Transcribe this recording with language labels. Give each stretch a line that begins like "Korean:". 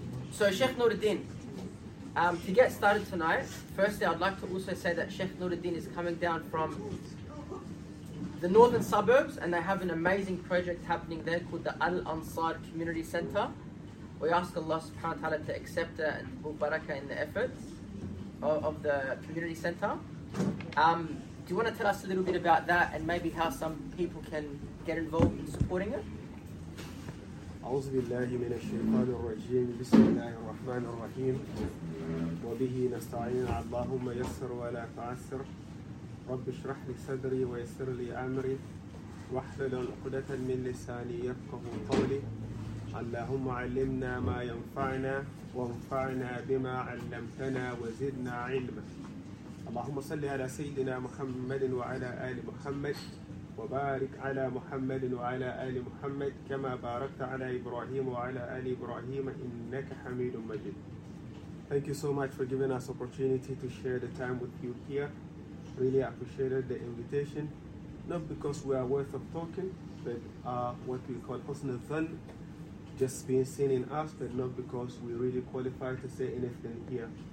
English: So Sheikh Nuru-deen, to get started tonight, firstly, I'd like to also say that Sheikh Nuru-deen is coming down from the northern suburbs, and they have an amazing project happening there called the Al Ansar Community Center. We ask Allah Subhanahu wa Ta'ala to accept it and put barakah in the efforts of the community center. Do you want to tell us a little bit about that and maybe how some people can get involved in supporting it?
Arabic: أعوذ بالله من الشيطان الرجيم بسم الله الرحمن الرحيم وبه نستعين اللهم يسر ولا تعسر رب اشرح لي صدري ويسر لي امري واحلل عقدة من لساني يفقهوا قولي اللهم علمنا ما ينفعنا وانفعنا بما علمتنا وزدنا علما اللهم صل على سيدنا محمد وعلى ال محمد وبارك على محمد وعلى ال محمد كما باركت على ابراهيم وعلى ال ابراهيم انك حميد مجيد.
English: Thank you so much for giving us opportunity to share the time with you here. Really appreciated the invitation, not because we are worth of talking, but what we call husnul dhan, just being seen in us, but not because we really qualify to say anything here.